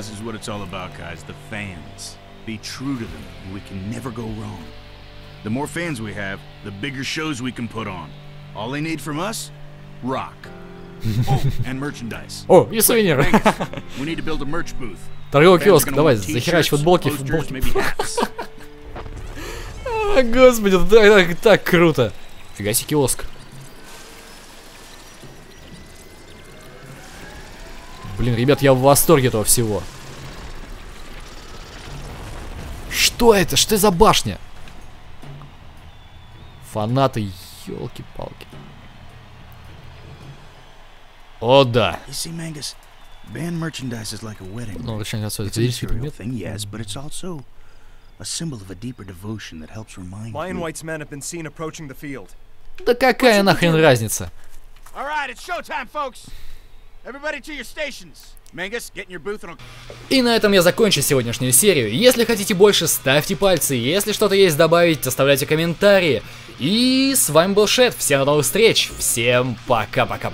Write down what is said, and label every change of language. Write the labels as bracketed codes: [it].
[en] This is what it's all about, guys. The fans. Be true to them, and we can never go wrong. The more fans we have, the bigger shows we can put on. All they need from us? Rock. Oh, and merchandise. [ru] О, и сувенир. We need to build a merch booth. Торговый киоск, давай, захерач футболки, футболки. Господи, так круто. Фига себе киоск. Блин, ребят, я в восторге этого всего. Что это? Что это за башня? Фанаты, ёлки-палки. О, да. [en] You see, Mangus, band merchandise is like a wedding. [ru] Ну, точнее, это материальный [en] thing, yes, but it's also a symbol of a deeper devotion that helps remind. Lion White's men have been seen approaching the field. [ru] Да какая нахрен разница? [en] All right, it's showtime, folks. Everybody to your stations. Mangus, get in your booth and... [ru] И на этом я закончу сегодняшнюю серию. Если хотите больше, ставьте пальцы. Если что-то есть добавить, оставляйте комментарии. И с вами был Шет. Всем до новых встреч. Всем пока.